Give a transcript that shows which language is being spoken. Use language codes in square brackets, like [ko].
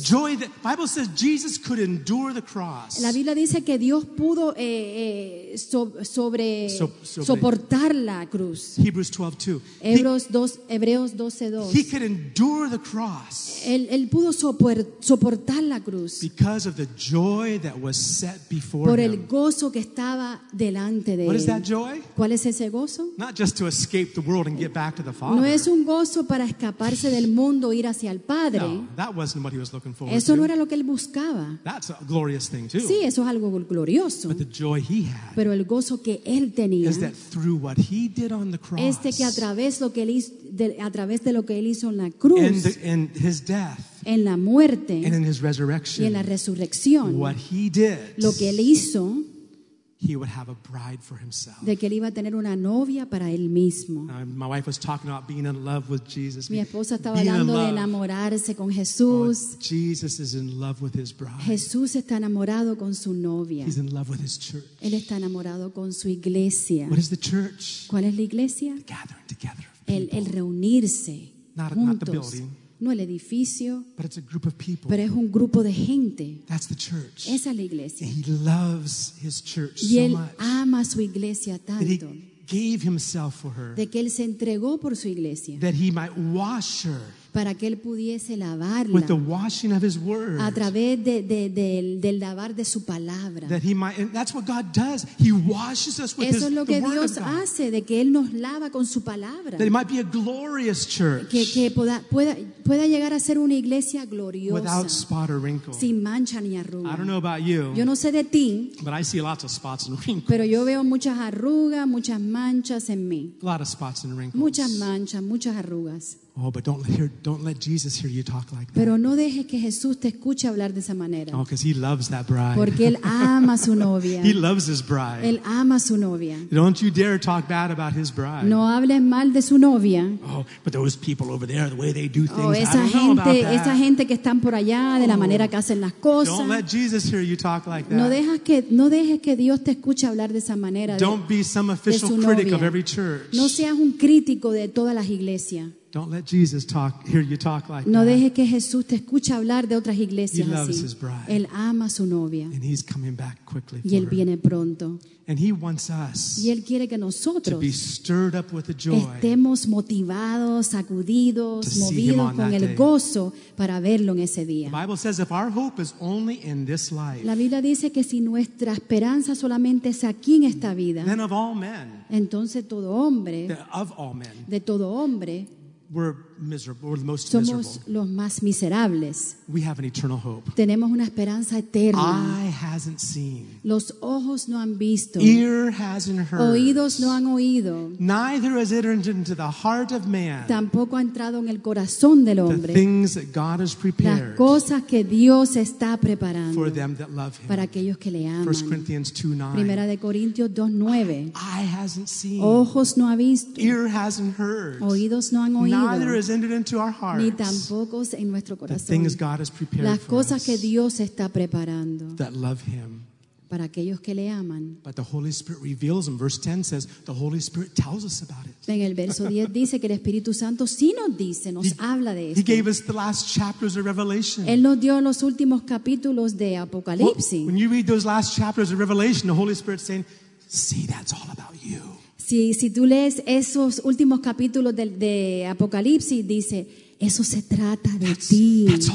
[en] The joy that the Bible says Jesus could endure the cross. [es] La Biblia dice que Dios pudo soportar la cruz. [en] Hebreos 12:2. He could endure the cross. [es] Él pudo soportar la cruz. [en] Because of the joy that was set before him. [es] Por el gozo que estaba delante de él. [en] What is that joy? [es] ¿Cuál es ese gozo? [en] Not just to escape the world and get back to the Father. [es] No es un gozo para escaparse del mundo, ir hacia el Padre. [en] No, that wasn't what he was looking forward [es] eso [en] to. [es] No era lo que él buscaba. [en] That's a glorious thing too. [es] Sí, eso es algo glorioso. [en] But the joy he had, [es] pero el gozo que él tenía, [en] is that through what he did on the cross, [es] este que a través lo que él hizo, a través de lo que él hizo en la cruz, [en] in his death, [es] en la muerte, [en] and in his resurrection, [es] y en la resurrección, [en] what he did, [es] lo que él hizo, [en] he would have a bride for himself. [es] De que él iba a tener una novia para él mismo. [en] My wife was talking about being in love with Jesus. [es] Mi esposa estaba hablando de enamorarse con Jesús. [en] Oh, Jesus is in love with his bride. [es] Jesús está enamorado con su novia. [en] He's in love with his church. [es] Él está enamorado con su iglesia. [en] What is the church? [es] ¿Cuál es la iglesia? [en] The gathering together of people. [es] El reunirse juntos. [en] Not the building. [es] No el edificio, [en] but it's a group of people. [es] Pero es un grupo de gente. [en] That's the church. [es] Esa es la iglesia. [en] And he loves his church [es] y él [en] so much. [es] Ama su iglesia tanto. [en] That he gave himself for her. [es] De que él se entregó por su iglesia. [en] That he might wash her. [es] Para que él pudiese lavarla. [en] With the washing of his word. [es] A través del lavar de su palabra. [en] That he might, and that's what God does. He washes us with his word. [es] Eso es lo que Dios hace, de que él nos lava con su palabra. [en] That it might be a glorious church. [es] Que pueda llegar a ser una iglesia gloriosa. [en] Without spot or wrinkle. [es] Sin mancha ni arruga. [en] I don't know about you. [es] Yo no sé de ti. [en] But I see lots of spots and wrinkles. [es] Pero yo veo muchas arrugas, muchas manchas en mí. [en] A lot of spots and wrinkles. [es] Muchas manchas, muchas arrugas. [en] Oh, but don't let Jesus hear you talk like that. [es] Pero no dejes que Jesús te escuche hablar de esa manera. [en] Oh, because he loves that bride. [es] Porque él ama su novia. [en] He loves his bride. [es] Él ama su novia. [en] Don't you dare talk bad about his bride. [es] No hables mal de su novia. [en] Oh, but those people over there, the way they do things. [es] Oh, esa gente, esa gente que están por allá, de la manera que hacen las cosas. [en] Don't let Jesus hear you talk like that. [es] No dejes que Dios te escuche hablar de esa manera. [en] Don't be some official critic of every church. [es] No seas un crítico de todas las iglesias. [en] Don't let Jesus talk, hear you talk like [es] no [en] that. [es] Deje que Jesús te escuche hablar de otras iglesias [en] he loves [es] así. [en] His bride. [es] Él ama a su novia. [en] And he's coming back quickly [es] y él viene pronto. [en] And he wants us [es] y él quiere que nosotros [en] to be stirred up with the joy [es] estemos motivados, sacudidos, movidos con el gozo para verlo en ese día. [en] The Bible says if our hope is only in this life, [es] la Biblia dice que si nuestra esperanza solamente es aquí en esta vida, [en] then of all men, [es] entonces todo hombre, [en] of all men, [es] de todo hombre, [en] we're miserable. We're the most [es] somos [en] miserable. [es] Los más miserables. [en] We have an eternal hope. [es] Tenemos una esperanza eterna. [en] Eye hasn't seen. [es] Los ojos no han visto. [en] Ear hasn't heard. [es] Oídos no han oído. [en] Neither has entered into the heart of man. [es] Tampoco ha entrado en el corazón del hombre. [en] The things that God has prepared. [es] Las cosas que Dios está preparando. [en] For them that love him. [es] Para aquellos que le aman. [en] 1 Corinthians 2:9. [es] Primera de Corintios 2:9. [en] Eye hasn't seen. [es] Ojos no ha visto. [en] Ear hasn't heard. [es] Oídos no han oído. [en] Neither has entered into our hearts. [es] Ni tampoco es en nuestro corazón. [en] The things God has prepared [es] las cosas [en] for [es] que Dios está preparando. [en] That love him. [es] Para aquellos que le aman. [en] But the Holy Spirit reveals them. Verse 10 says the Holy Spirit tells us about it. [es] En el verso 10 dice que el Espíritu Santo sí nos dice, nos habla de esto. [en] He gave us the last chapters of Revelation. [es] Él nos dio los últimos capítulos de Apocalipsis. [en] Well, when you read those last chapters of Revelation, the Holy Spirit saying, "See, that's all about you." [es] Si tú lees esos últimos capítulos de Apocalipsis, dice, eso se trata de ti.